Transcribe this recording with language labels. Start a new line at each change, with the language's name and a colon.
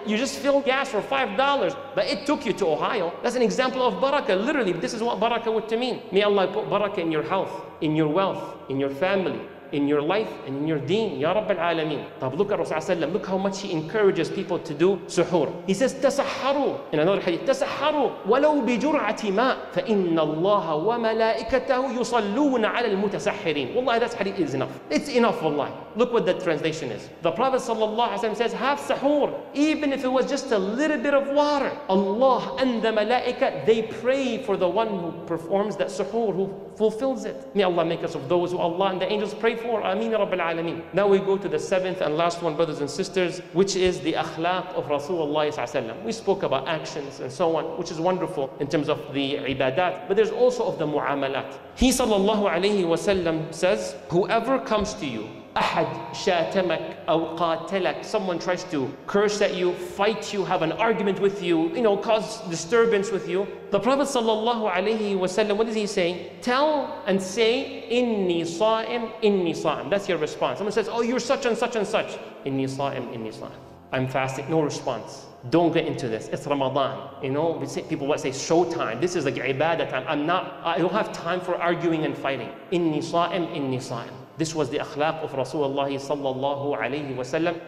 English: You just fill gas for $5, but it took you to Ohio. That's an example of barakah. Literally, this is what barakah would mean. May Allah put barakah in your health, in your wealth, in your family, in your life and in your deen, Ya Rabbil Alameen. طب look at Rasulullah Sallam, look how much he encourages people to do suhoor. He says,
Arabic: تسحروا,
English: in another hadith,
Arabic: تسحروا ولو بجرعة ماء فإن الله وملائكته يصلون على المتسحرين.
English: والله, that hadith is enough. It's enough, wallahi. Look what that translation is. The Prophet Sallallahu Alaihi Wasallam says, have suhoor, even if it was just a little bit of water. Allah and the malaika, they pray for the one who performs that suhoor, who fulfills it. May Allah make us of those who Allah and the angels pray for. Ameen, Rabbil Alameen. Now we go to the seventh and last one, brothers and sisters, which is the akhlaq of Rasulullah Sallallahu Alaihi Wasallam. We spoke about actions and so on, which is wonderful in terms of the ibadat, but there's also of the mu'amalat. He Sallallahu Alaihi Wasallam says, whoever comes to you,
Arabic: أحد شاتمك أو قاتلك,
English: someone tries to curse at you, fight you, have an argument with you, you know, cause disturbance with you. The Prophet Sallallahu Alaihi Wasallam, what does he say? Tell and say,
Arabic: إني صائم, إني صائم.
English: That's your response. Someone says, oh, you're such and such and such.
Arabic: إني صائم, إني صائم.
English: I'm fasting. No response. Don't get into this. It's Ramadan. You know, we say, people would say, showtime. This is like ibadah time. I'm not, I don't have time for arguing and fighting.
Arabic: إني صائم, إني صائم.
English: This was the akhlaq of Rasulullah sallallahu alayhi wa sallam.